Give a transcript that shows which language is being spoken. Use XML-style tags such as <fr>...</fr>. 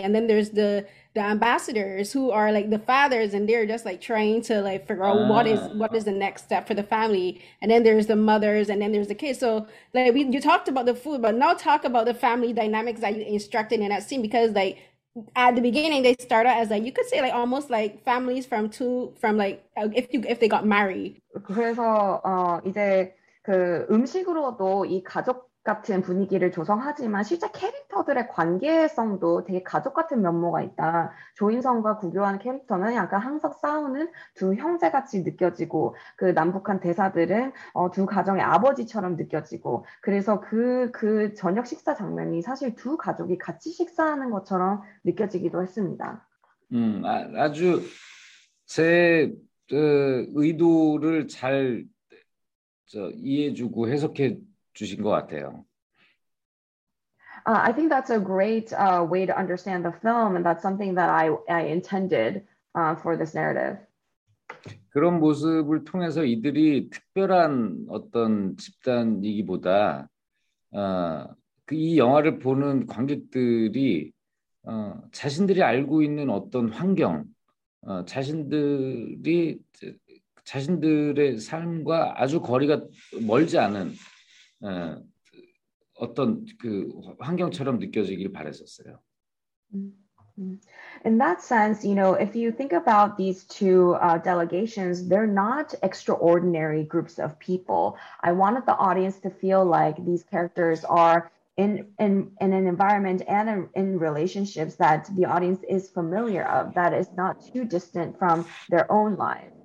<en>And then there's the ambassadors who are like the fathers, and they're just like trying to like figure out what is the next step for the family. And then there's the mothers, and then there's the kids. So like you talked about the food, but now talk about the family dynamics that you instructed in that scene, because like at the beginning they start out as like you could say like almost like families from two from like if they got married.</en> <ko>그래서 이제 그 음식으로도 이 가족 같은 분위기를 조성하지만 실제 캐릭터들의 관계성도 되게 가족 같은 면모가 있다. 조인성과 구교환 캐릭터는 약간 항상 싸우는 두 형제같이 느껴지고 그 남북한 대사들은 두 가정의 아버지처럼 느껴지고 그래서 그 저녁 식사 장면이 사실 두 가족이 같이 식사하는 것처럼 느껴지기도 했습니다. 아주 제 의도를 잘 이해해주고 해석해 주신 것 같아요.</ko> <en>I think that's a great way to understand the film, and that's something that I intended for this narrative.</en> <ko>그런 모습을 통해서 이들이 특별한 어떤 집단이기보다 그이 영화를 보는 관객들이 자신들이 알고 있는 어떤 환경, 자신들의 삶과 아주 거리가 멀지 않은 어떤 그 환경처럼 느껴지길 바랐었어요.</ko> <en>In that sense, you know, if you think about these two delegations, they're not extraordinary groups of people. I wanted the audience to feel like these characters are in an environment and in relationships that the audience is familiar of, that is not too distant from their own lives.</en>